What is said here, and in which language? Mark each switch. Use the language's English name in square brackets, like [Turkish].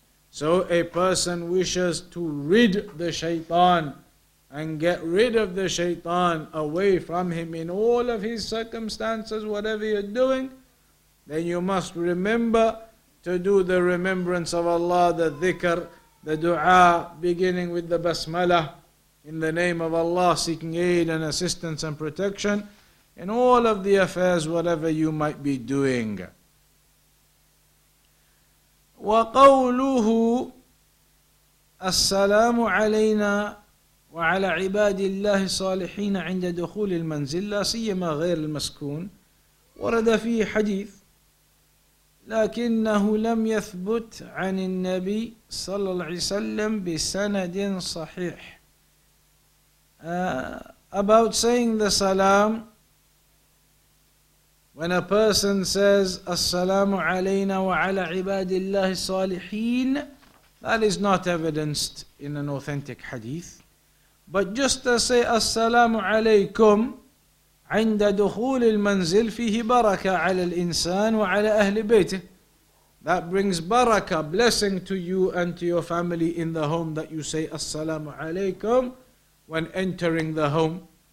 [English] So a person wishes to rid the shaitan and get rid of the shaitan away from him in all of his circumstances, whatever you're doing, then you must remember to do the remembrance of Allah, the dhikr, the dua, beginning with the basmala, in the name of Allah, seeking aid and assistance and protection in all of the affairs, whatever you might be doing. [Arabic] وقوله السلام علينا وعلى عباد الله الصالحين عند دخول المنزل لا سيما غير المسكون ورد فيه حديث لكنه لم يثبت عن النبي صلى الله عليه وسلم بسند صحيح. [English] About saying the salam, when a person says [Arabic] assalamu alayna wa ala ibadillahi salihin, [English] that is not evidenced in an authentic hadith. But just to say assalamu alaykum [Arabic] عند دخول المنزل فيه بركة على الإنسان وعلى أهل بيته, [English] that brings baraka, blessing to you and to your family in the home, that you say assalamu alaykum when entering the home.